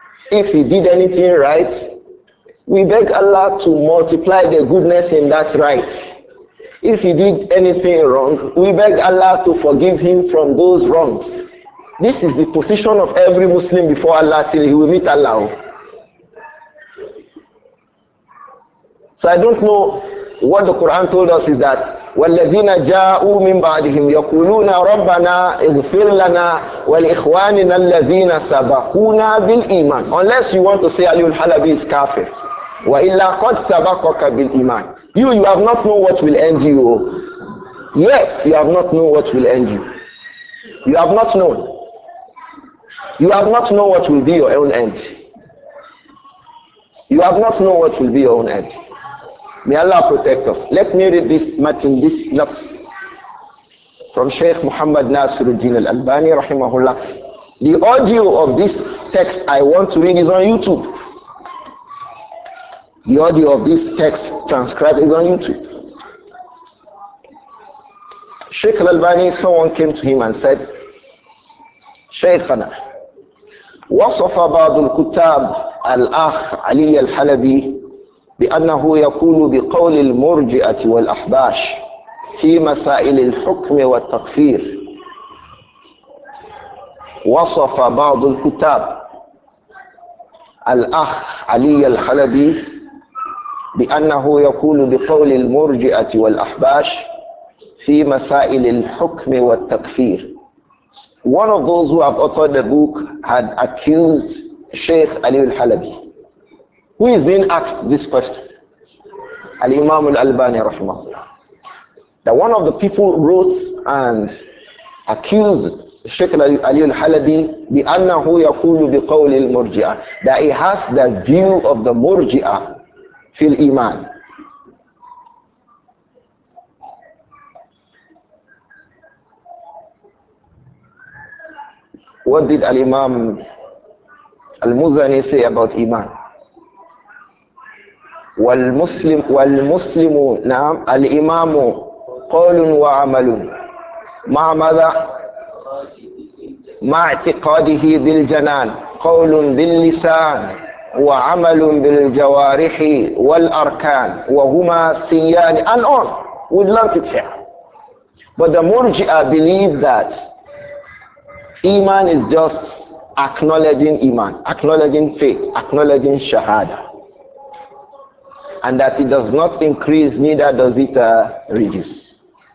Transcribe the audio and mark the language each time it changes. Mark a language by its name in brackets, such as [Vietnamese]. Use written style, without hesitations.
[English] If he did anything right, we beg Allah to multiply the goodness in that right. If he did anything wrong, we beg Allah to forgive him from those wrongs. This is the position of every Muslim before Allah till he will meet Allah. So I don't know what the Quran told us is that [Arabic] وَالَّذِينَ جَاءُوا مِنْ بَعْدِهِمْ يَقُولُونَ رَبَّنَا اغْفِرْ لَنَا وَالْإِخْوَانِنَا الَّذِينَ سَبَقُونَا بِالْإِيمَانِ. [English] Unless you want to say Ali al-Halabi is kafir. [Arabic] وَإِلَّا قَدْ سَبَقَكَ بِالْإِيمَانِ. [English] You have not known what will end you. Yes, you have not known what will end you. You have not known. You have not known what will be your own end. You have not known what will be your own end. May Allah protect us. Let me read this matin, this nafs from Sheikh Muhammad Nasiruddin al-Albani rahimahullah. The audio of this text I want to read is on YouTube. The audio of this text transcribed is on YouTube. Sheikh al-Albani, someone came to him and said, [Arabic] Shaykhana, wasafa ba'd al-kutab al-akh Ali al-Halabi بأنه يقول بقول المرجئة والأحباش في مسائل الحكم والتكفير. وصف بعض الكتاب الأخ علي الحلبي بأنه يقول بقول المرجئة والأحباش في مسائل الحكم والتكفير. [English] One of those who have authored the book had accused Sheikh Ali al-Halabi. Who is being asked this question? Al-Imam al-Albani rahimahullah. That one of the people wrote and accused Sheikh Ali al-Halabi [Arabic] بِأَنَّهُ يَقُولُ بِقَوْلِ الْمُرْجِعَةِ, [English] that he has the view of the murji'ah fi al-Iman. What did Al-Imam al-Muzani say about Iman? [Arabic] والمسلم نعم الإمام قول وعمل مع ماذا مع اعتقاده بالجنان قول باللسان وعمل بالجوارح والأركان وهما سيان [English] and on. We learned it here. But the Murji'a believe that Iman is just acknowledging Iman, acknowledging faith, acknowledging Shahada. And that it does not increase, neither does it reduce.